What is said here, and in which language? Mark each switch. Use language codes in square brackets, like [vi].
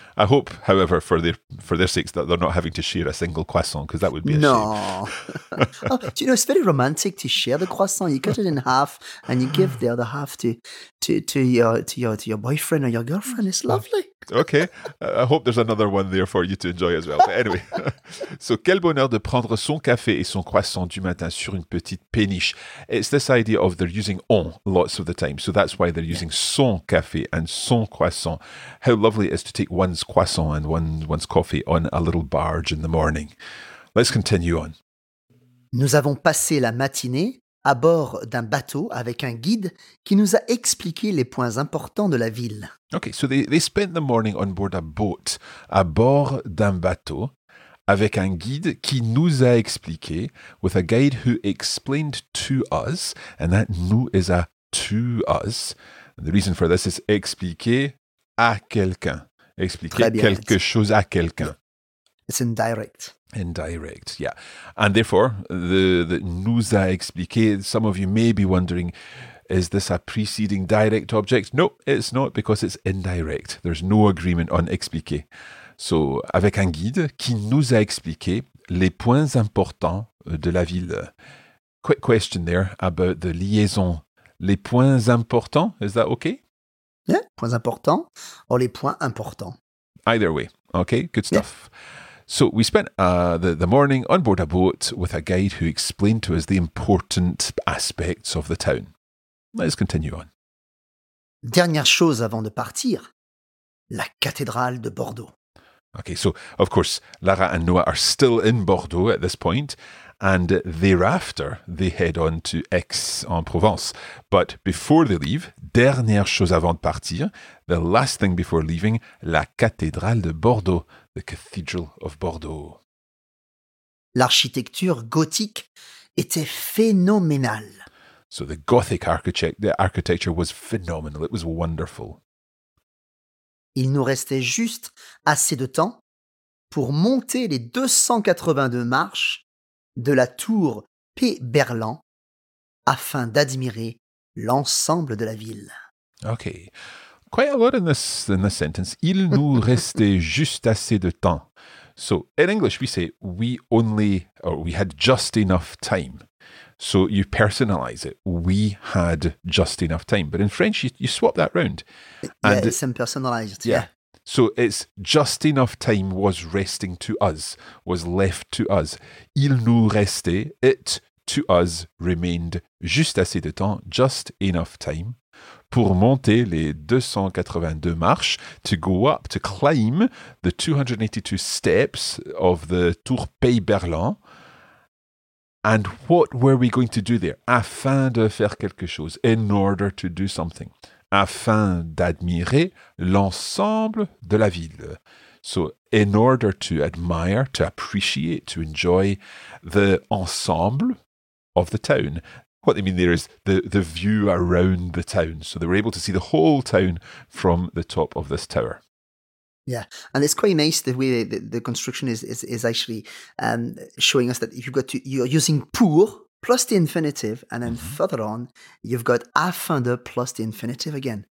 [en] I hope, however, for their sakes, that they're not having to share a single croissant, because that would be a shame. Oh, you know, it's very romantic to share the croissant. You cut it in half and you give the other half to your boyfriend or your girlfriend. It's lovely. Okay, I hope there's another one there for you to enjoy as well. [fr] But anyway, so quel bonheur de prendre son café et son croissant du matin sur une petite péniche. [en] It's this idea of they're using on lots of the time. So that's why they're using son café and son croissant. How lovely it is to take one's croissant and one's coffee on a little barge in the morning. Let's continue on. [fr] Nous avons passé la matinée à bord d'un bateau avec un guide qui nous a expliqué les points importants de la ville. [en] Okay, so they spent the morning on board a boat, [fr] à bord d'un bateau, avec un guide qui nous a expliqué, [en] with a guide who explained to us, and that nous is a to us. And the reason for this is [fr] expliquer à quelqu'un. Expliquer quelque chose à quelqu'un. [en] It's indirect. Indirect, yeah. And therefore, the [fr] nous a expliqué, [en] some of you may be wondering, is this a preceding direct object? No, it's not, because it's indirect. There's no agreement on expliquer. [fr] So, avec un guide qui nous a expliqué les points importants de la ville. [en] Quick question there about the liaison. [fr] Les points importants, [en] is that okay? [fr] Yeah, points importants or les points importants. [en] Either way, okay, good stuff. Yeah. So we spent the morning on board a boat with a guide who explained to us the important aspects of the town. Let's continue on. [fr] Dernière chose avant de partir, la cathédrale de Bordeaux. [en] Okay, so of course, Lara and Noah are still in Bordeaux at this point, and thereafter they head on to Aix-en-Provence. But before they leave, [fr] dernière chose avant de partir, [en] the last thing before leaving, [fr] la cathédrale de Bordeaux. [en] The Cathedral of Bordeaux. [fr] L'architecture gothique était phénoménale. [en] So the Gothic architecture was phenomenal. It was wonderful. [fr] Il nous restait juste assez de temps pour monter les 282 marches de la tour P. Berland afin d'admirer l'ensemble de la ville. [en] Okay. Quite a lot in this sentence. [fr] Il nous restait juste assez de temps. [en] So in English, we say we had just enough time. So you personalize it. We had just enough time. But in French, you swap that round. And yeah, it's impersonalized. Yeah. So it's just enough time was resting to us, was left to us. [fr] Il nous restait, [en] it to us remained [fr] juste assez de temps, [en] just enough time. [fr] Pour monter les 282 marches, [en] to go up, to climb the 282 steps of the Tour Pays Berland. And what were we going to do there? [fr] Afin de faire quelque chose, [en] in order to do something. [fr] Afin d'admirer l'ensemble de la ville. [en] So, in order to admire, to appreciate, to enjoy the ensemble of the town. What they mean there is the view around the town. So they were able to see the whole town from the top of this tower. Yeah, and it's quite nice the way the construction is actually showing us that you're using pour plus the infinitive, and then further on, you've got afin de plus the infinitive again.